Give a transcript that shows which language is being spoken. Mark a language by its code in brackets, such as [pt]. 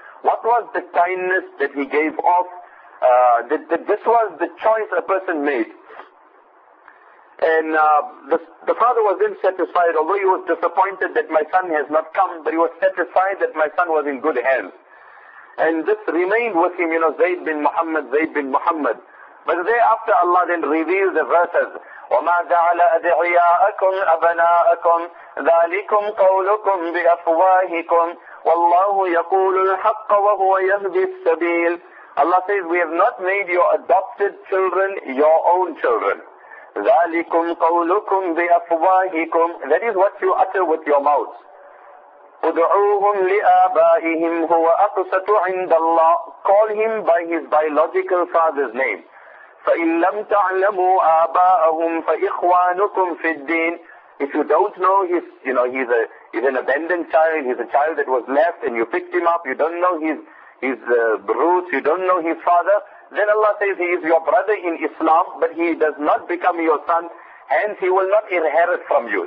[en] What was the kindness that he gave off? That this was the choice a person made. And the father was then satisfied, although he was disappointed that my son has not come, but he was satisfied that my son was in good hands. And this remained with him, you know, Zayd bin Muhammad, Zayd bin Muhammad. But thereafter Allah then revealed the verses, [ar] وَمَا جَعَلَ أَدْعِيَاءَكُمْ أَبْنَاءَكُمْ ذَلِكُمْ قَوْلُكُمْ بِأَفْوَاهِكُمْ وَاللَّهُ يَقُولُ الْحَقَّ وَهُوَ يَهْدِي السَّبِيلِ. [en] Allah says, "We have not made your adopted children your own children. [ar] ذَلِكُمْ قَوْلُكُمْ بِأَفْوَاهِكُمْ. [en] That is what you utter with your mouth. [ar] ادعوهم لآبائهم هو أقسط عند الله. [en] Call him by his biological father's name. [ar] فإن لم تعلموا آباءهم فإخوانكم في الدين. [en] If you don't know his, you know, he's an abandoned child, he's a child that was left and you picked him up, you don't know his roots, you don't know his father, then Allah says he is your brother in Islam, but he does not become your son, hence he will not inherit from you.